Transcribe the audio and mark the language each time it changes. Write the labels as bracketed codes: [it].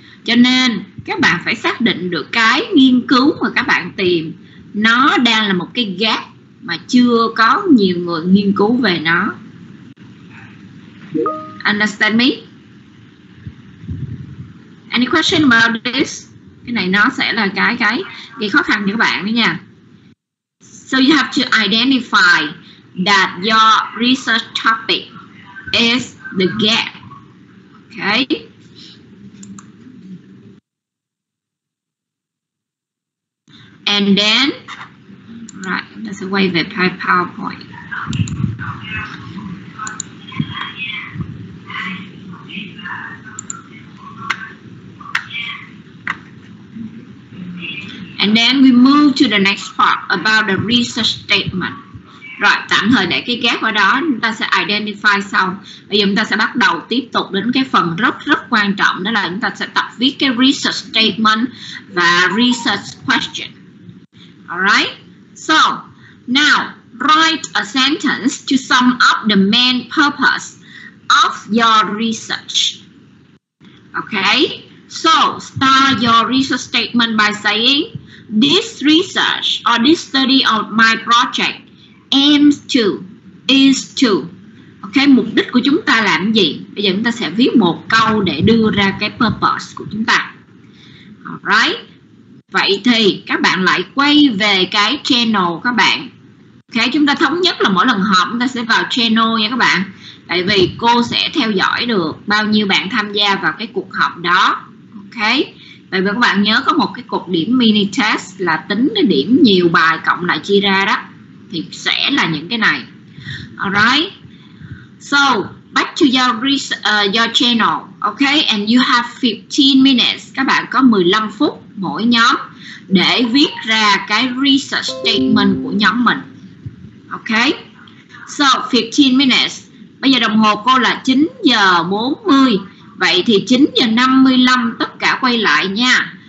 [vi] Cho nên các bạn phải xác định được cái nghiên cứu mà các bạn tìm nó đang là một cái gap mà chưa có nhiều người nghiên cứu về nó. [en] Understand me? Any question about this? [vi] Cái này nó sẽ là cái khó khăn cho các bạn đó nha. [en] So you have to identify that your research topic is the gap. Okay. And then, right, let's [vi] quay về [en] PowerPoint. And then we move to the next part about the research statement. [vi] Rồi, tạm thời để cái gap ở đó, chúng ta sẽ identify sau. Bây giờ chúng ta sẽ bắt đầu tiếp tục đến cái phần rất rất quan trọng, đó là chúng ta sẽ tập viết cái research statement và research question. [en] Alright? So, now, write a sentence to sum up the main purpose of your research. Okay? So, start your research statement by saying, this research or this study of my project aims to, is to. [vi] Ok, mục đích của chúng ta làm gì? Bây giờ chúng ta sẽ viết một câu để đưa ra cái purpose của chúng ta. Alright. Vậy thì các bạn lại quay về cái channel các bạn. Ok, chúng ta thống nhất là mỗi lần họp chúng ta sẽ vào channel nha các bạn. Tại vì cô sẽ theo dõi được bao nhiêu bạn tham gia vào cái cuộc họp đó. Ok, Tại vì các bạn nhớ có một cái cột điểm mini test là tính cái điểm nhiều bài cộng lại chia ra đó, thì sẽ là những cái này. [en] Alright, so back to your channel, okay, and you have 15 minutes. [vi] Các bạn có 15 phút mỗi nhóm để viết ra cái research statement của nhóm mình. [en] Okay, so 15 minutes. [vi] Bây giờ đồng hồ cô là 9:40. Vậy thì 9:55 tất cả quay lại nha.